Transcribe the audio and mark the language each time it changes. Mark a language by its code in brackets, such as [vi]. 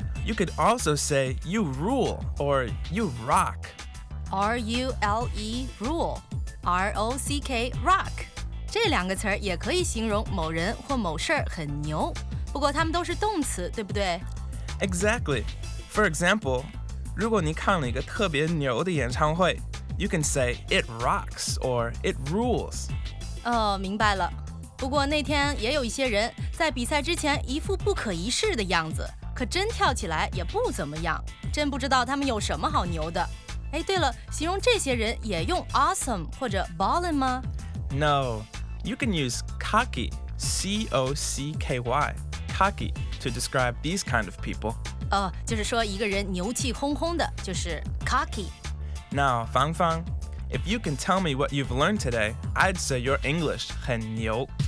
[en] You could also say you rule or you rock. R-U-L-E, rule. R-O-C-K, rock. [zh] 这两个词儿也可以形容某人或某事儿很牛。不过它们都是动词，对不对？ [en] Exactly. For example, [zh] 如果你看了一个特别牛的演唱会， [en] you can say it rocks or it rules. [zh] 哦，明白了。不过那天也有一些人在比赛之前一副不可一世的样子，可真跳起来也不怎么样，真不知道他们有什么好牛的。哎，对了，形容这些人也用 awesome 或者 ballin 吗？ [en] No, you can use cocky, C-O-C-K-Y, cocky, to describe these kind of people. [zh] 哦，就是说一个人牛气哄哄的，就是 cocky. [en] Now, Fang Fang,If you can tell me what you've learned today, I'd say your English [zh] 很牛。